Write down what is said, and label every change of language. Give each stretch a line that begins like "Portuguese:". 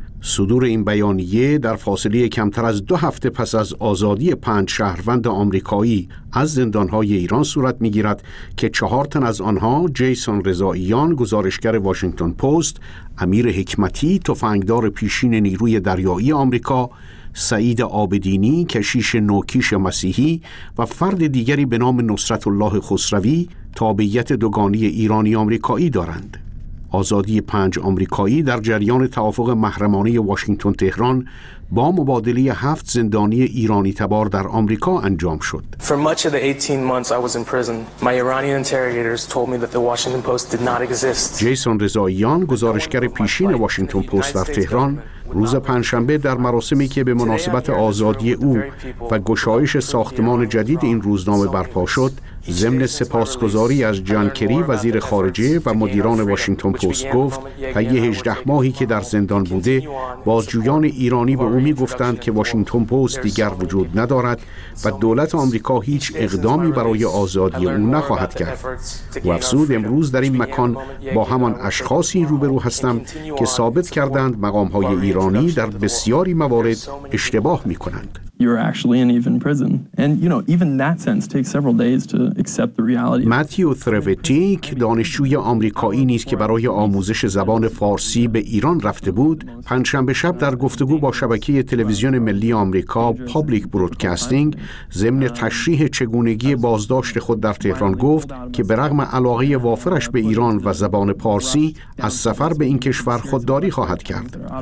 Persian: صدور این بیانیه در فاصله کمتر از 2 هفته پس از آزادی 5 شهروند آمریکایی از زندانهای ایران صورت می‌گیرد که 4 تن از آنها جیسون رضاییان، گزارشگر واشنگتن پست، امیر حکمتی، تفنگدار پیشین نیروی دریایی آمریکا، سعید آبدینی، کشیش نوکیش مسیحی و فرد دیگری به نام نصرت الله خسروی تابعیت دوگانه ایرانی آمریکایی دارند. آزادی 5 آمریکایی در جریان توافق محرمانه واشنگتن تهران با مبادله 7 زندانی ایرانی تبار در آمریکا انجام شد.
English: For much of the 18 months I was in prison, my Iranian interrogators told me that the Washington Post did not exist.
Persian: جیسون رضاییان، گزارشگر پیشین واشنگتن پست در تهران، روز پنجشنبه در مراسمی که به مناسبت آزادی او و گشایش ساختمان جدید این روزنامه برپا شد، ضمن سپاسگزاری از جان کری وزیر خارجه و مدیران واشنگتن پست گفت طی 18 ماهی که در زندان بوده، بازجویان ایرانی به او میگفتند که واشنگتن پست دیگر وجود ندارد و دولت آمریکا هیچ اقدامی برای آزادی او نخواهد کرد. و افزود امروز در این مکان با همان اشخاصی روبرو هستم که ثابت کردند مقام‌های ایرانی در بسیاری موارد اشتباه می‌کنند.
English: You're actually in even prison, and you know even that sense takes several days to accept the reality.
Persian: ماتیو ثروتیک، دانشجوی آمریکایی نیست که برای آموزش زبان فارسی به ایران رفته بود، پنجشنبه شب در گفتگو با شبکه تلویزیون ملی آمریکا پابلیک برودکاستینگ ضمن تشریح چگونگی بازداشت خود در تهران گفت که به رغم علاقه وافرش به ایران و زبان پارسی، از سفر به این کشور خودداری خواهد کرد.